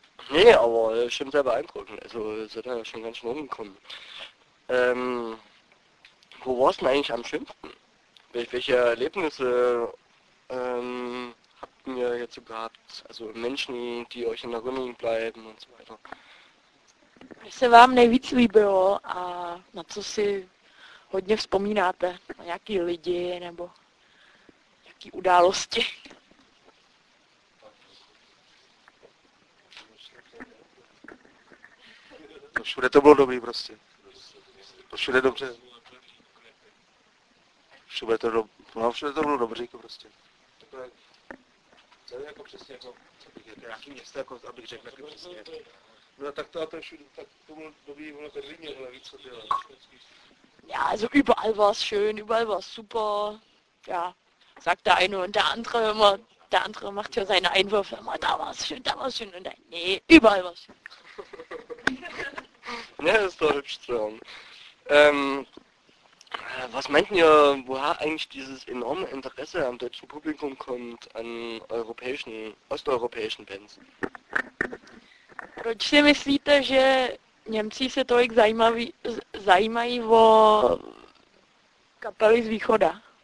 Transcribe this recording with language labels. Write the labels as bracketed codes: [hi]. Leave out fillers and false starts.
[de] Nee, aber schon sehr beeindruckend. Also sind ja schon ganz schön rumgekommen. Wo war es denn eigentlich am schönsten? Welche Erlebnisse habt ihr jetzt so gehabt? Also Menschen, die euch in Erinnerung bleiben und so weiter. [cs] Jestli vám nejvíc líbilo a na co si hodně vzpomínáte, na nějaký lidi nebo nějaký události. To všude to bylo dobrý prostě. To všude dobře. Všude to, všude to bylo dobře jako prostě. Takové, jako přesně jako, nějaký město, jako, abych řekl, jako přesně. No tak to a to všude, tak to bylo dobrý, bylo Berlíně, ale víc co dělat. [de] Ja, also überall war es schön, überall war es super. Ja, sagt der eine und der andere immer, der andere macht ja seine Einwürfe immer, da war es schön, da war es schön und dann, nee, überall war es schön. Ne, ja, ist doch hübsch zu hören. Was meinten ihr, woher eigentlich dieses enorme Interesse am deutschen Publikum kommt, an europäischen, osteuropäischen Bands? [cs] Proč si myslíte, že Němci se tolik zajímají o kapely z východa?